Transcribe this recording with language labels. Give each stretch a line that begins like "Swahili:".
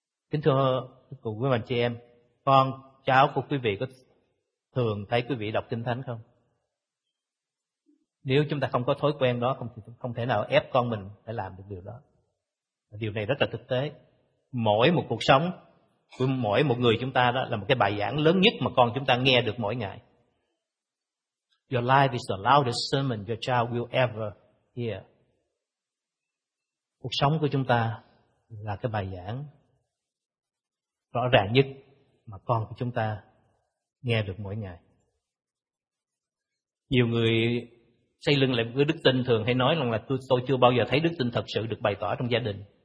Vietnamese: Kính thưa cùng quý anh chị em, con cháu của quý vị có thường thấy quý vị đọc Kinh Thánh không? Nếu chúng ta không có thói quen đó, không thể nào ép con mình phải làm được điều đó. Điều này rất là thực tế. Mỗi một cuộc sống của mỗi một người chúng ta đó là một cái bài giảng lớn nhất mà con chúng ta nghe được mỗi ngày.
English: Your life is the loudest sermon your child will ever hear.
Vietnamese: Cuộc sống của chúng ta là cái bài giảng rõ ràng nhất mà con của chúng ta nghe được mỗi ngày. Nhiều người xây lưng lại với đức tin thường hay nói rằng là tôi chưa bao giờ thấy đức tin thật sự được bày tỏ trong gia đình.